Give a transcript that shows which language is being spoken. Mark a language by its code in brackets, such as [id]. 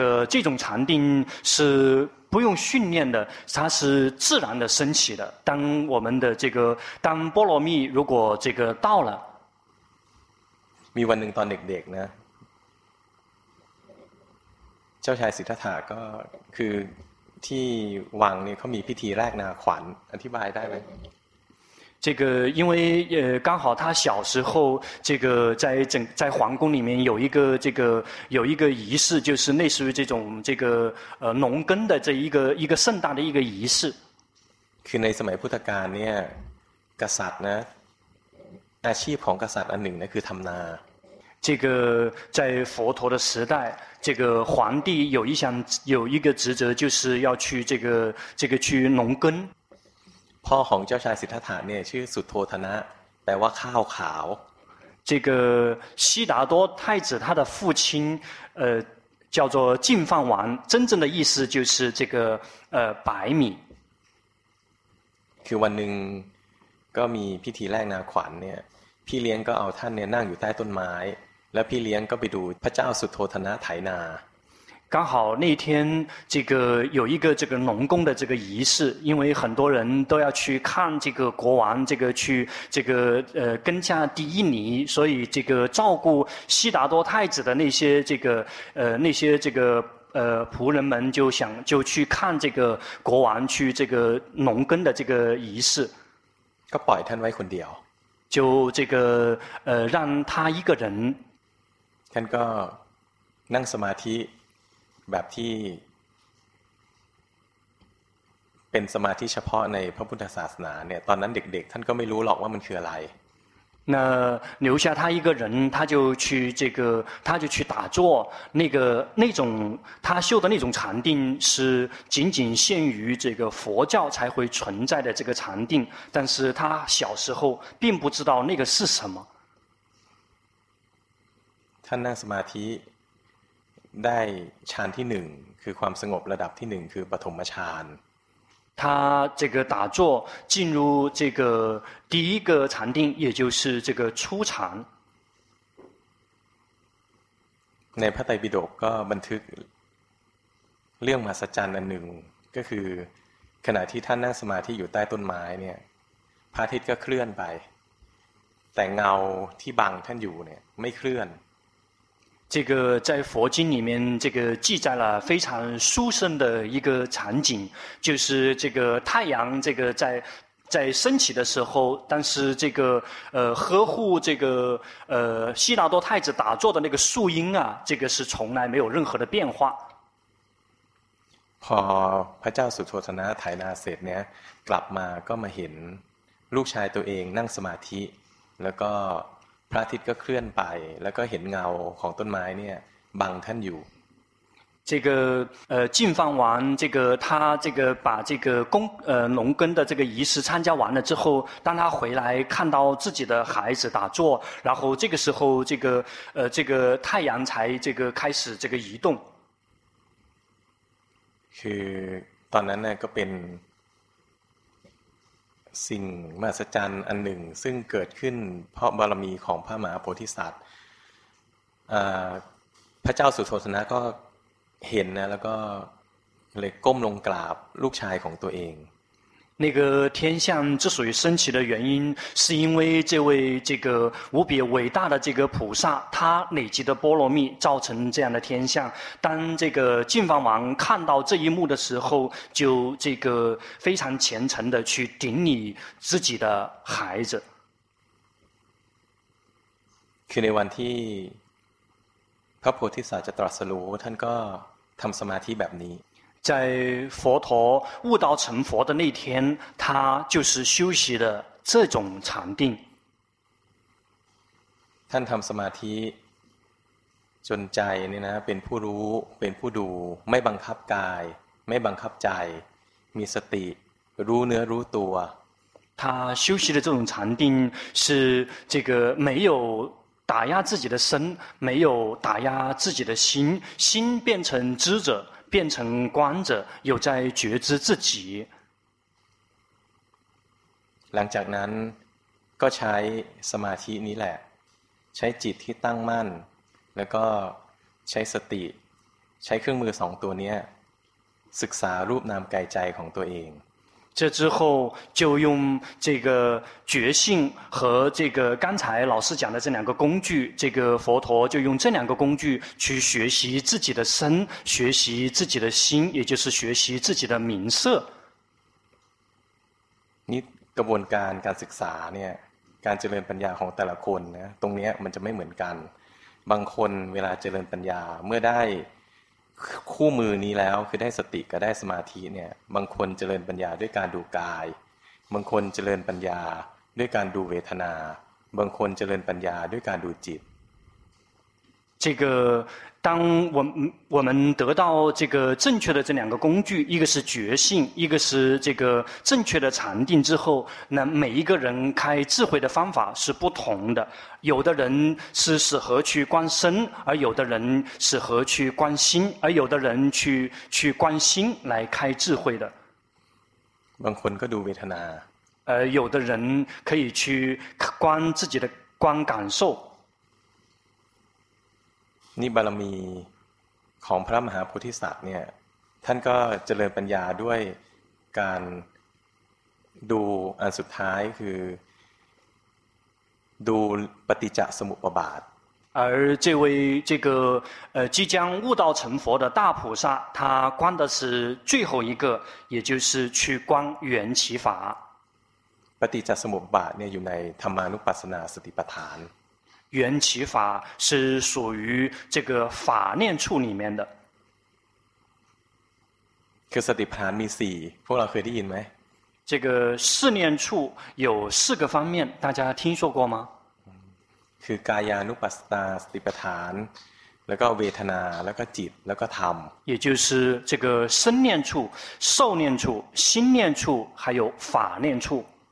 [zh] 这种禅定是不用训练的，它是自然的升起的。当我们的这个当波罗蜜如果这个到了 [th] มีวันหนึ่งตอนเด็กๆนะเจ้าชายสิทธัตถะก็คือที่วังนี่เขามีพิธีแรกนาขวัญอธิบายได้ไหม [zh] 这个因为刚好他小时候这个在皇宫里面有一个仪式，就是类似于这种这个农耕的这一个盛大的一个仪式。 [th] คือในสมัยพุทธกาลเนี่ยกษัตริย์นะอาชีพของกษัตริย์อันหนึ่งนะคือทำนา [zh] 这个在佛陀的时代，这个皇帝有一个职责，就是要去这个去农耕。 [th] พ่อของเจ้าชายสิทธัตถะเนี่ยชื่อสุทโธทนะแปลว่าข้าวขาว [zh] 这个悉达多太子他的父亲叫做净饭王，真正的意思就是这个白米。 [th] คือวันหนึ่งก็มีพิธีแรกนาขวัญเนี่ยพี่เลี้ยงก็เอาท่านเนี่ยนั่งอยู่ใต้ต้นไม้แล้วพี่เลี้ยงก็ไปดูพระเจ้าสุทโธทนะไถนา [zh] 刚好那天这个有一个这个农耕的这个仪式，因为很多人都要去看这个国王，这个去这个耕稼第一犁，所以这个照顾悉达多太子的那些仆人们就去看这个国王去这个农耕的这个仪式。 [th] ก็ปล่อยท่านไว้คนเดียว [zh] 就这个让他一个人 [th] ท่านก็นั่งสมาธิแบบที่เป็นสมาธิเฉพาะในพระพุทธศาสนาเนี่ยตอนนั้นเด็กๆท่านก็ไม่รู้หรอกว่ามันคืออะไร [zh] 那留下他一个人，他就去打坐。那种他修的那种禅定是仅仅限于这个佛教才会存在的这个禅定，但是他小时候并不知道那个是什么。 [th] ท่านนั่งสมาธิได้ฌานที่หนึ่งคือความสงบระดับที่หนึ่งคือปฐมฌาน [zh] 他这个打坐进入这个第一个禅定，也就是这个初禅。 [th] ในพระไตรปิฎกก็บันทึกเรื่องมหัศจรรย์อันหนึ่งก็คือขณะที่ท่านนั่งสมาธิอยู่ใต้ต้นไม้เนี่ยพระอาทิตย์ก็เคลื่อนไปแต่เงาที่บังท่านอยู่เนี่ยไม่เคลื่อน [zh] 这个在佛经里面，这个记载了非常殊胜的一个场景，就是这个太阳这个在升起的时候，但是这个呵护这个悉达多太子打坐的那个树荫啊，这个是从来没有任何的变化。 [th] พอพระเจ้าสุทโธทนะไถนาเสร็จเนี้ยกลับมาก็มาเห็นลูกชายตัวเองนั่งสมาธิแล้วก็พระอาทิตย์ก็เคลื่อนไปแล้วก็เห็นเงาของต้นไม้เนี่ยบังท่านอยู่ [zh] 这个净饭完，这个他这个把这个工农耕的这个仪式参加完了之后，当他回来看到自己的孩子打坐，然后这个时候这个这个太阳才这个开始这个移动。 [th] คือตอนนั้นก็เป็นสิ่งมหัศจรรย์อันหนึ่งซึ่งเกิดขึ้นเพราะบารมีของพระมหาโพธิสัตว์พระเจ้าสุโธทนะก็เห็นนะแล้วก็เลยก้มลงกราบลูกชายของตัวเอง [zh] 那个天象之所以升起的原因是因为这位这个无比伟大的这个菩萨他累积的波罗蜜造成这样的天象当这个净饭王看到这一幕的时候就这个非常虔诚的去顶礼自己的孩子 [th] คือในวันที่พระโพธิสัตว์จะตรัสรู้ท่านก็ทำสมาธิแบบนี้ [zh] 在佛陀悟道成佛的那天他就是修习的这种禅定 [th] ท่านทำสมาธิจนใจนี่นะเป็นผู้รู้เป็นผู้ดูไม่บังคับกายไม่บังคับใจมีสติรู้เนื้อรู้ตัว [zh] 他修习的这种禅定是这个没有打压自己的身没有打压自己的心心变成知者变成观者有在觉知自己 [th] หลังจากนั้นก็ใช้สมาธินี้แหละใช้จิตที่ตั้งมั่นแล้วก็ใช้สติใช้เครื่องมือสองตัวนี้ศึกษารูปนามกายใจของตัวเอง [zh] 这之后就用这个觉性和这个刚才老师讲的这两个工具这个佛陀就用这两个工具去学习自己的身学习自己的心也就是学习自己的名色 [th] นี่กระบวนการการศึกษาเนี่ยการเจริญปัญญาของแต่ละคนนะตรงนี้มันจะไม่เหมือนกันบางคนเวลาเจริญปัญญาเมื่อได้คู่มือนี้แล้วคือได้สติกับได้สมาธิเนี่ยบางคนเจริญปัญญาด้วยการดูกายบางคนเจริญปัญญาด้วยการดูเวทนาบางคนเจริญปัญญาด้วยการดูจิต [zh] 这个当我们得到这个正确的这两个工具一个是觉性一个是这个正确的禅定之后那每一个人开智慧的方法是不同的有的人是适合去观身而有的人适合去观心而有的人去观心来开智慧的 [th] บางคนก็ดูเวทนา [zh] 有的人可以去观自己的观感受 [th] นี่บารมีของพระมหาโพธิสัตว์เนี่ยท่านก็เจริญปัญญาด้วยการดูอันสุดท้ายคือดูปฏิจจสมุปบาท [zh] 而这位这个即将悟道成佛的大菩萨他观的是最后一个也就是去观缘起法 [th] ปฏิจจสมุปบาทเนี่ยอยู่ในธรรมานุปัสสนาสติปัฏฐาน [zh] 缘起法是属于这个法念处里面的 [th] คือสติปัฏฐานมี4พวกเราเคยได้ยินไหม [zh] 这个四念处有四个方面大家听说过吗 [th] คือกายานุปัสสนาสติปัฏฐานแล้วก็เวทนาแล้วก็จิตแล้วก็ธรรม [zh] 也就是这个身念处受念处心念处还有法念处